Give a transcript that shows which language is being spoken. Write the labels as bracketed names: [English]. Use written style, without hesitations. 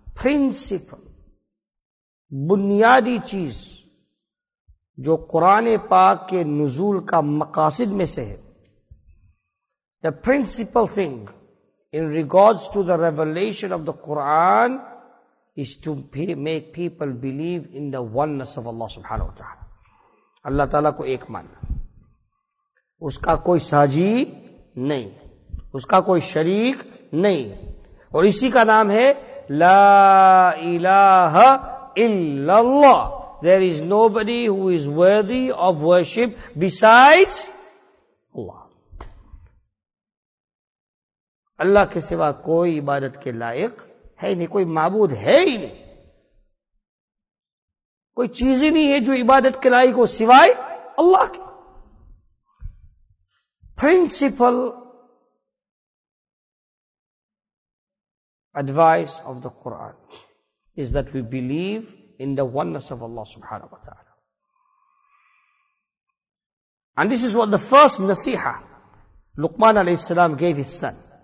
[Urdu] Principle, بنیادی چیز جو قرآن پاک کے نزول کا مقاصد میں سے ہے. [English] The principal thing in regards to the revelation of the Quran is to make people believe in the oneness of Allah subhanahu wa ta'ala. [Urdu] اللہ تعالیٰ کو ایک ماننا, اس کا کوئی ساجی نہیں, اس کا کوئی شریک نہیں, اور اسی کا نام ہے لا الہ الا اللہ. [English] There is nobody who is worthy of worship besides Allah. [Urdu] اللہ کے سوا کوئی عبادت کے لائق ہے نہیں, کوئی معبود ہے ہی نہیں, کوئی چیز ہی نہیں ہے جو عبادت کے لائق ہو سوائے اللہ کے. [English] Principle advice of the Quran is that we believe in the oneness of Allah subhanahu wa ta'ala. And this is what the first nasiha Luqman alayhi salam gave his son.